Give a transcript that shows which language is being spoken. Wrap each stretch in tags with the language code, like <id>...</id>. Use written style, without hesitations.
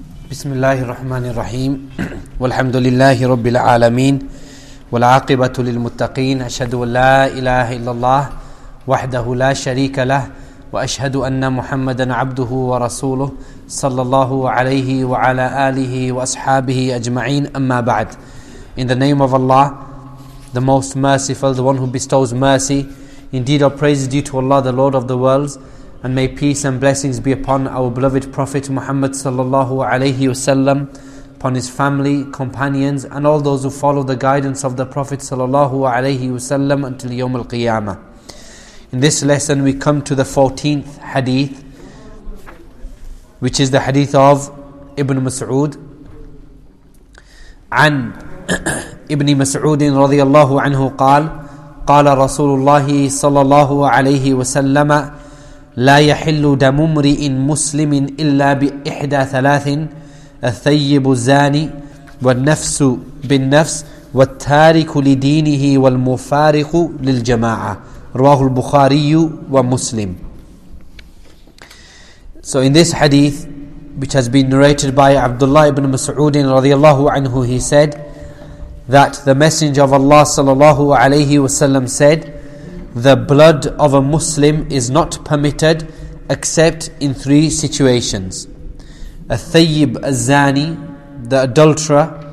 <ar>بسم الله الرحمن الرحيم والحمد لله رب العالمين والعاقبة للمتقين أشهد أن لا إله إلا الله وحده لا شريك له وأشهد أن محمدا عبده ورسوله صلى الله عليه وعلى آله وأصحابه أجمعين أما بعد.</ar> <en>In the name of Allah, the most merciful, the one who bestows mercy. Indeed, all praise is due to Allah, the Lord of the worlds. And may peace and blessings be upon our beloved Prophet Muhammad sallallahu alayhi wasallam, upon his family, companions, and all those who follow the guidance of the Prophet sallallahu alayhi wasallam until Yawm al-Qiyamah. In this lesson, we come to the 14th hadith, which is the hadith of Ibn Mas'ud.</en> <ar>An Ibn Mas'ud radiyallahu anhu qal, qala Rasulullah sallallahu alayhi wasallam, لا يحل دم امرئ مسلم إلا بإحدى ثلاث: الثيب الزاني، والنفس بالنفس، والتارك لدينه، والمفارق للجماعة. رواه البخاري ومسلم.</ar> <en>So in this hadith, which has been narrated by Abdullah ibn Mas'ud</en> <ar>رضي الله عنه,</ar> <en>he said that the Messenger of Allah</en> <ar>صلى الله عليه وسلم</ar> <en>said, the blood of a Muslim is not permitted except in three situations: a thayyib al-zani, the adulterer;</en>